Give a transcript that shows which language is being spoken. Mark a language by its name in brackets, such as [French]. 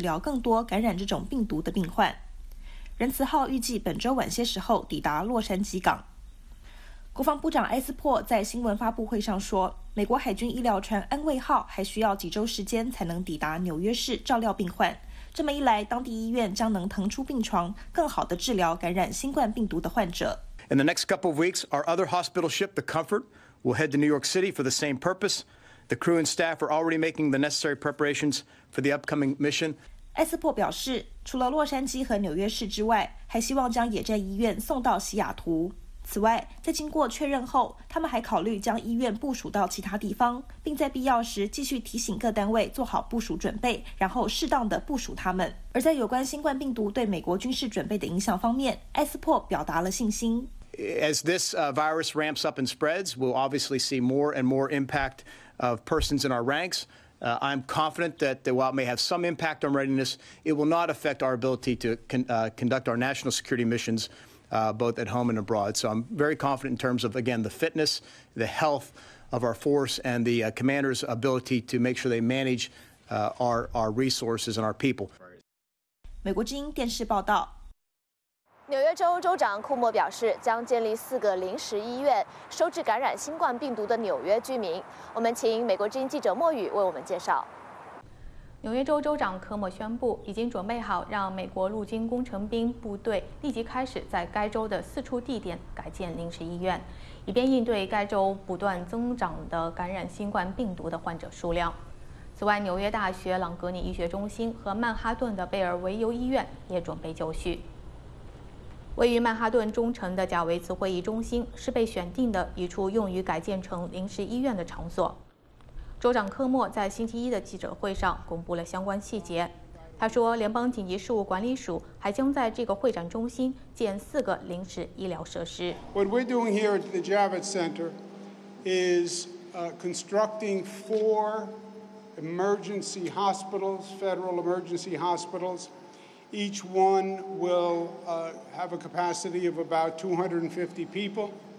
[Chinese] 快去免费下载新版本吧。美国国防部长埃斯珀表示，美国军方正准备在纽约、洛杉矶和西雅图部署野战医院，帮助抗击新冠疫情。我们来看报道。星期一，美国海军医疗船“仁慈号”从圣迭戈出发，船上配备近900名工作人员，他们将照料非新冠病毒患者，让当地医护人员能治疗更多感染这种病毒的病患。仁慈号预计本周晚些时候抵达洛杉矶港。国防部长埃斯珀在新闻发布会上说，美国海军医疗船“安慰号”还需要几周时间才能抵达纽约市照料病患。这么一来，当地医院将能腾出病床，更好地治疗感染新冠病毒的患者。 [English] In the next couple of weeks, our other hospital ship, the Comfort, will head to New York City for the same purpose. The crew and staff are already making the necessary preparations for the upcoming mission. [Chinese] 埃斯珀表示，除了洛杉矶和纽约市之外，还希望将野战医院送到西雅图。此外，在经过确认后，他们还考虑将医院部署到其他地方，并在必要时继续提醒各单位做好部署准备，然后适当的部署他们。而在有关新冠病毒对美国军事准备的影响方面，埃斯珀表达了信心。 [English] As this virus ramps up and spreads, we'll obviously see more and more impact of persons in our ranks. I'm confident that while it may have some impact on readiness, it will not affect our ability to conduct our national security missions, both at home and abroad. So I'm very confident in terms of, again, the fitness, the health of our force, and the commander's ability to make sure they manage our resources and our people. [Chinese] 美国之音电视报道。纽约州州长库莫表示，将建立四个临时医院，收治感染新冠病毒的纽约居民。我们请美国之音记者莫宇为我们介绍。纽约州州长科莫宣布，已经准备好让美国陆军工程兵部队立即开始在该州的四处地点改建临时医院，以便应对该州不断增长的感染新冠病毒的患者数量。此外，纽约大学朗格尼医学中心和曼哈顿的贝尔维尤医院也准备就绪。位于曼哈顿中城的贾维茨会议中心是被选定的一处用于改建成临时医院的场所。州长科莫在星期一的记者会上公布了相关细节。他说，联邦紧急事务管理署还将在这个会展中心建四个临时医疗设施。 [English] What we're doing here at the Javits Center is constructing four emergency hospitals, federal emergency hospitals. Each one will have a capacity of about 250 people.